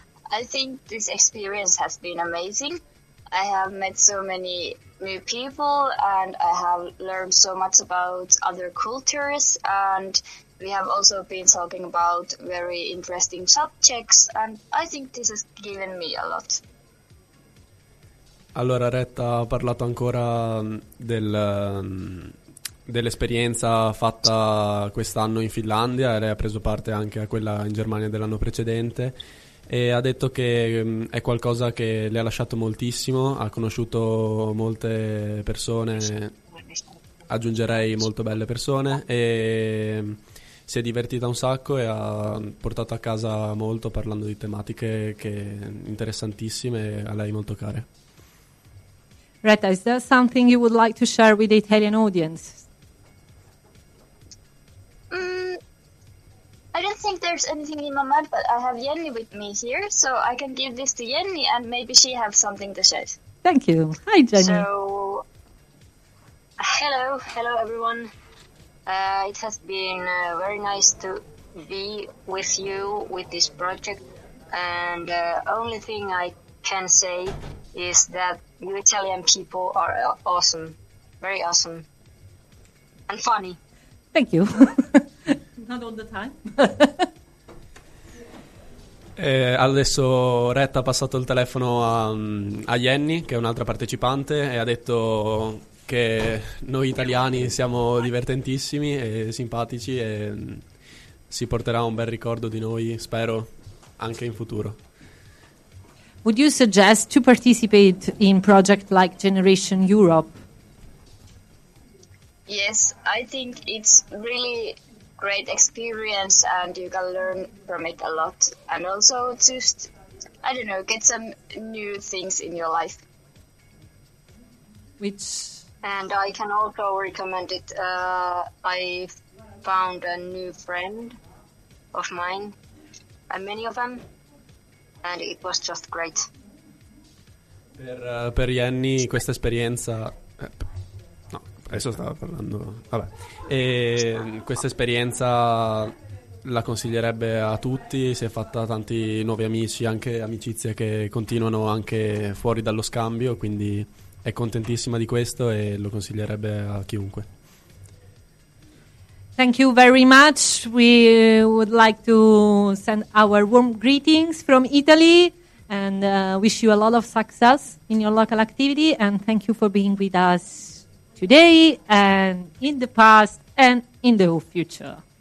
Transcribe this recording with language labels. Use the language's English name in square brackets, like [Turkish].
[English] I think this experience has been amazing. I have met so many new people and I have learned so much about other cultures. And we have also been talking about very interesting subjects. And I think this has given me a lot. [Italian] Allora, Retta ha parlato ancora dell'esperienza fatta quest'anno in Finlandia, lei ha preso parte anche a quella in Germania dell'anno precedente e ha detto che è qualcosa che le ha lasciato moltissimo, ha conosciuto molte persone, aggiungerei molto belle persone, e si è divertita un sacco e ha portato a casa molto parlando di tematiche che interessantissime e a lei molto care. [English] Retta, is there something you would like to share with the Italian audience? I don't think there's anything in my mind, but I have Jenny with me here, so I can give this to Jenny, and maybe she has something to share. Thank you. Hi, Jenny. So, hello everyone. It has been very nice to be with you with this project, and the only thing I can say is that you Italian people are awesome, very awesome, and funny. Thank you. Not all the time. [Italian] Adesso Retta ha passato il telefono a Jenny, che è un'altra partecipante, e ha detto che noi italiani siamo divertentissimi e simpatici e si porterà un bel ricordo di noi, spero, anche in futuro. [English] Would you suggest to participate in project like Generation Europe? Yes, I think it's really great experience and you can learn from it a lot and also just, I don't know, get some new things in your life. Which? And I can also recommend it. I found a new friend of mine and many of them and it was just great. [Italian] per Jenny questa esperienza. No, adesso stavo parlando. Vabbè. E questa esperienza la consiglierebbe a tutti. Si è fatta tanti nuovi amici, anche amicizie che continuano anche fuori dallo scambio. Quindi è contentissima di questo e lo consiglierebbe a chiunque. [English] Thank you very much. We would like to send our warm greetings from Italy and wish you a lot of success in your local activity. And thank you for being with us today and in the past and in the future.